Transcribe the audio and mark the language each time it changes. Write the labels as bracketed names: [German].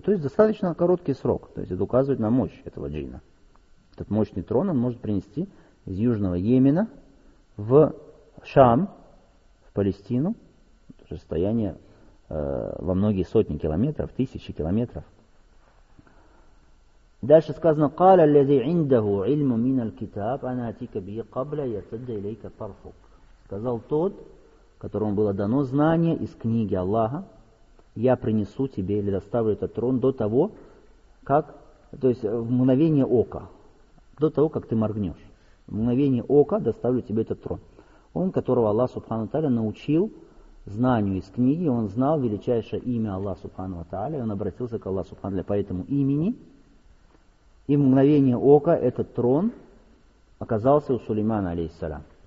[Russian] То есть, достаточно короткий срок, то есть, это указывает на мощь этого джинна. Этот мощный трон он может принести из Южного Йемена в Шам, Палестину, расстояние во многие сотни километров, тысячи километров. Дальше сказано: [Arabic] قال الذي عنده علم من الكتاب أنا أتيك به قبل يرتد إليك طرفك. [Russian] Сказал тот, которому было дано знание из книги Аллаха: я принесу тебе или доставлю этот трон до того, как, то есть в мгновение ока, до того, как ты моргнешь. В мгновение ока доставлю тебе этот трон. Он, которого Аллах Субхану Тааля научил знанию из книги, он знал величайшее имя Аллаха Субхану Тааля, он обратился к Аллаху Субхану Тааля по этому имени, и в мгновение ока этот трон оказался у Сулеймана, алейхиссалям.